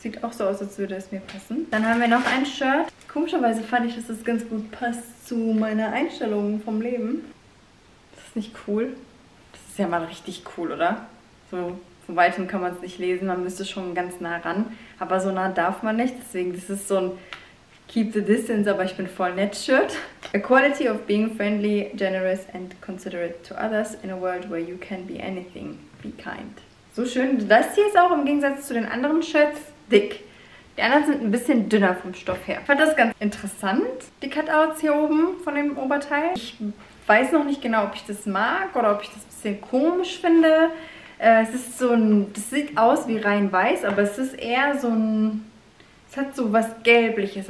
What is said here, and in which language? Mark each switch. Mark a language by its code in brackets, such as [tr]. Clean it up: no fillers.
[de] Sieht auch so aus, als würde es mir passen. Dann haben wir noch ein Shirt. Komischerweise fand ich, dass das ganz gut passt zu meiner Einstellung vom Leben. Das ist nicht cool. Das ist ja mal richtig cool, oder? So von Weitem kann man es nicht lesen. Man müsste schon ganz nah ran. Aber so nah darf man nicht. Deswegen, das ist so ein [en] Keep the Distance, [de] aber ich bin voll nett Shirt. [en] A quality of being friendly, generous and considerate to others in a world where you can be anything. Be kind. [de] So schön. Das hier ist auch im Gegensatz zu den anderen Shirts dick. Die anderen sind ein bisschen dünner vom Stoff her. Ich fand das ganz interessant, die Cutouts hier oben von dem Oberteil. Ich weiß noch nicht genau, ob ich das mag oder ob ich das ein bisschen komisch finde. Es ist so ein, das sieht aus wie rein weiß, aber es ist eher so ein, es hat so was Gelbliches.